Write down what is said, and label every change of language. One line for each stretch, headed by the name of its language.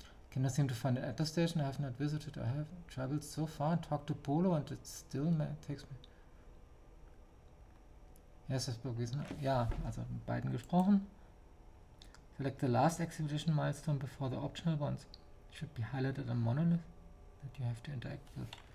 English: Cannot seem to find an Atlas station. I have not visited. I have traveled so far and talked to Polo and it still takes me.
German: Ja, ist das bewiesen? Ja, also mit beiden gesprochen.
English: Select the last expedition milestone before the optional ones should be highlighted on monolith that you have to interact with.